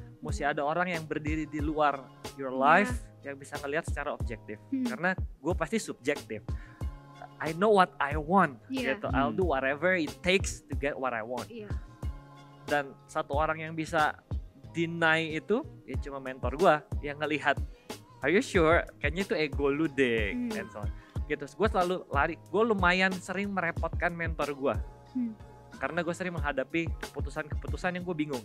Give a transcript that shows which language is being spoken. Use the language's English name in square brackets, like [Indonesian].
[Indonesian] Mesti ada orang yang berdiri di luar [English] your life [Indonesian] yang bisa ngelihat secara objektif. Karena gue pasti subjektif. [English] I know what I want. [Indonesian] Gitu. [English] I'll do whatever it takes to get what I want. [Indonesian] Dan satu orang yang bisa deny itu, ya cuma mentor gue yang ngelihat, [English] are you sure? [Indonesian] Kayaknya itu ego lu deh. [English] And so on. [Indonesian] Gitu, gue selalu lari. Gue lumayan sering merepotkan mentor gue. Karena gue sering menghadapi keputusan-keputusan yang gue bingung.